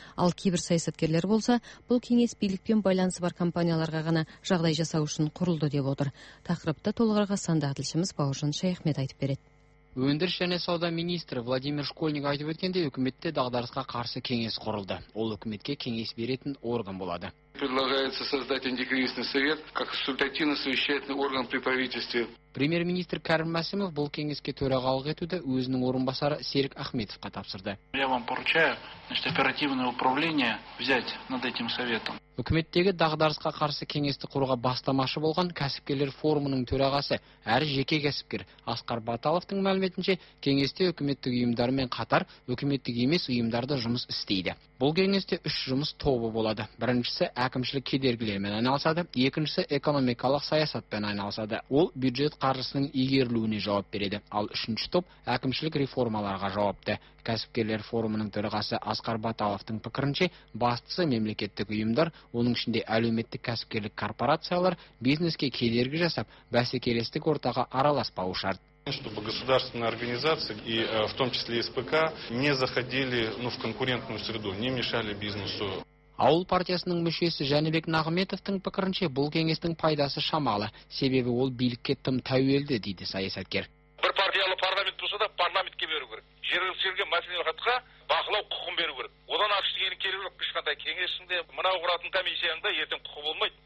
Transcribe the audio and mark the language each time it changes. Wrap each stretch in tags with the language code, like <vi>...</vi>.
<kk>Ал кейбір саясаткерлер болса, бұл кеңес билікпен байланысы бар компанияларға ғана жағдай жасау үшін құрылды деп отыр. Тақырыпты толығырақ Астанада тілшіміз Бауыржан Шайхмет айтып береді. Өндіріс және сауда министрі Владимир Школьник айтып өткендей, үкіметте дағдарысқа қарсы кеңес құрылды. Ол үкіметке кеңес беретін орган болады.</kk> <ru>Предлагается создать антикризисный совет как консультативно-совещательный орган при правительстве.</ru> <kk>Премьер-министр Кәрім Мәсімов бұл кеңеске төрағалық етуді өзінің орынбасары Серік Ахметовқа тапсырды.</kk> <ru>Я вам поручаю, значит, оперативное управление взять над этим советом.</ru> <kk>Үкіметтегі дағдарысқа қарсы кеңесті құруға бастамашы болған кәсіпкерлер форумының төрағасы, әрі жеке кәсіпкер Асқар Баталовтың мәліметінше, кеңесте үкіметтік ұйымдармен қатар үкіметтік емес ұйымдарда жұмыс істейді. Бұл кеңесте үш жұмыс тобы болады. Біріншісі әкімшілік кедергілермен айналысады, екіншісі экономикалық саясатпен айналысады. Ол бюджет қаржысының игерілуіне жауап береді. Ал үшінші топ әкімшілік реформаларға жауапты. Кәсіпкерлер форумының төрағасы Асқар Баталовтың пікірінше, бастысы мемлекеттік ұйымдар, оның ішінде әлеуметтік кәсіпкерлік корпорациялар бизнеске кедергі жасап, бәсекелестік ортаға араласпауы шарт.</kk> <ru>Чтобы государственные организации и в том числе СПК не заходили в конкурентную среду, не мешали бизнесу.</ru> <kk>Ауыл партиясының мүшесі Жәнібек Нағыметовтың пікірінше, бұл кеңестің пайдасы шамалы, себебі ол билікке тым тәуелді, дейді саясаткер. Бір партиялы парламент болса да парламентке беру керек. Жергілікті мәслихатқа бақылау құқығын беру керек. Одан артық ештеңе керек жоқ, ешқандай кеңесінде мынау құратын комиссияның да ертең құқы болмайды.</kk>